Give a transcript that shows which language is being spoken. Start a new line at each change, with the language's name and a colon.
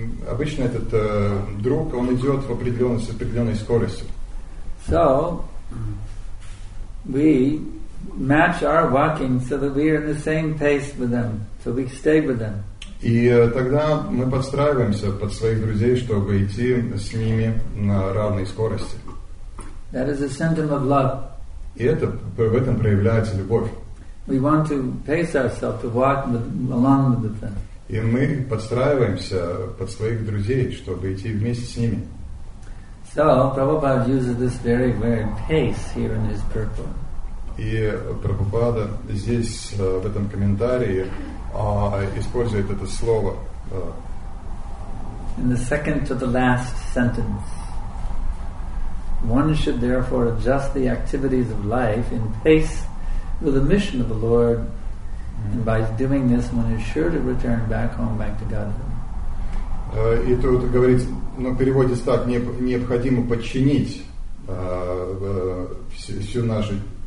Russian: Обычно этот друг он идет в определенной скорости.
English: So we match our walking so that we are in the same pace with them, so we stay with them.
Russian: И тогда мы подстраиваемся под своих друзей, чтобы идти с ними на равной скорости.
English: That is a symptom of love.
Russian: И это, в этом проявляется любовь.
English: We want to pace ourselves to walk along with the friend.
Russian: И мы подстраиваемся под своих друзей, чтобы идти вместе с ними.
English: So, Prabhupada uses this very weird pace here in his purport.
Russian: И Прабхупада здесь, в этом комментарии, использует это слово.
English: In the second to the last sentence. One should therefore adjust the activities of life in pace with the mission of the Lord, and by doing this, one is sure to return back home, back to Godhead.
Russian: И тут говорится, но переводится так: необходимо подчинить всю нашу.